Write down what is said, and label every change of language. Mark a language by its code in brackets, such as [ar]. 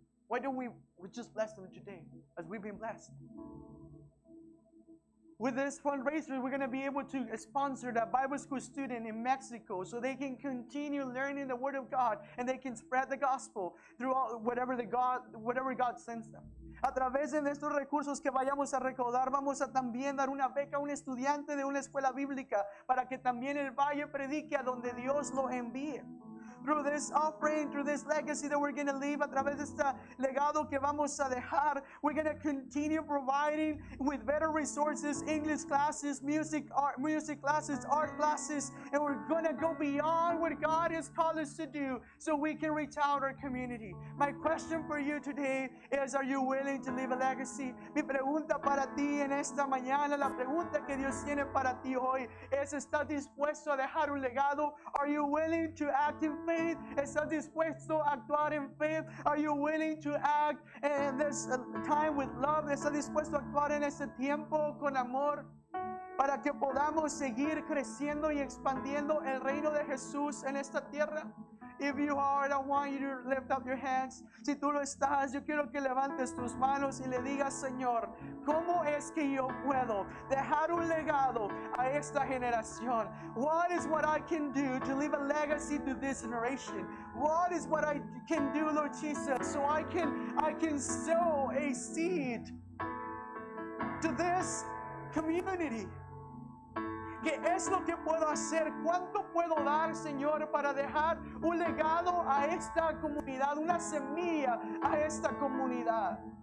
[en] Why don't we just bless them today as we've been blessed? With this fundraiser, we're going to be able to sponsor that Bible school student in Mexico so they can continue learning the Word of God and they can spread the gospel through all, whatever God sends them. [es] A través de estos recursos que vayamos a recaudar, vamos a también dar una beca a un estudiante de una escuela bíblica para que también el Valle predique a donde Dios lo envíe. [en] Through this offering, through this legacy that we're going to leave, [es] a través de este legado que vamos a dejar, [en] we're going to continue providing with better resources, English classes, music classes, art classes, and we're going to go beyond what God has called us to do so we can reach out our community. My question for you today is, are you willing to leave a legacy? [es] Mi pregunta para ti en esta mañana, la pregunta que Dios tiene para ti hoy es, ¿estás dispuesto a dejar un legado? [en] Are you willing to act in faith? [es] ¿Estás dispuesto a actuar en fe? [en] Are you willing to act in this time with love? [es] ¿Estás dispuesto a actuar en este tiempo con amor para que podamos seguir creciendo y expandiendo el reino de Jesús en esta tierra? [en] If you are, I want you to lift up your hands. [es] Si tú lo estás, yo quiero que levantes tus manos y le digas, Señor, ¿cómo es que yo puedo dejar un legado a esta generación? [en] What is what I can do to leave a legacy to this generation? What is what I can do, Lord Jesus, so I can sow a seed to this community? [es] ¿Qué es lo que puedo hacer? ¿Cuánto puedo dar, Señor, para dejar un legado a esta comunidad, una semilla a esta comunidad?